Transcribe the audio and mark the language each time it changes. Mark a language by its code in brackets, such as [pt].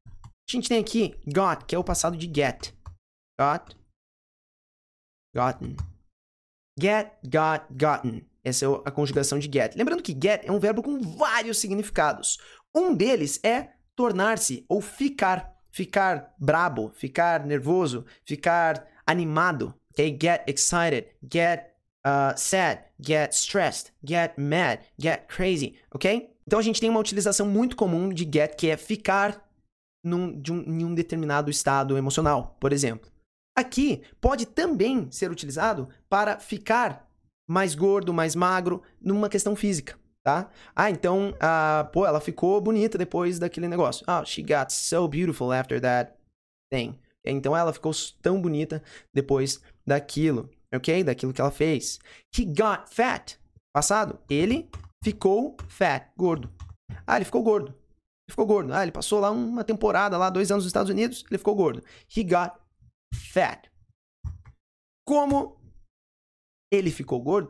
[pt] A gente tem aqui got, que é o passado de get. Got. Gotten. Get, got, gotten. Essa é a conjugação de get. Lembrando que get é um verbo com vários significados. Um deles é tornar-se ou ficar. Ficar brabo, ficar nervoso, ficar animado. [en] Okay? Get excited, get sad, get stressed, get mad, get crazy. Okay? [pt] Então a gente tem uma utilização muito comum de get, que é ficar em um determinado estado emocional, por exemplo. Aqui pode também ser utilizado para ficar mais gordo, mais magro, numa questão física, tá? Então, ela ficou bonita depois daquele negócio. [en] Oh, she got so beautiful after that thing. [pt] Então, ela ficou tão bonita depois daquilo, ok? Daquilo que ela fez. [en] He got fat. [pt] Passado, ele ficou fat, gordo. Ah, ele ficou gordo. Ele ficou gordo. Ah, ele passou lá uma temporada, lá 2 anos nos Estados Unidos, ele ficou gordo. [en] He got fat. [pt] Como... ele ficou gordo?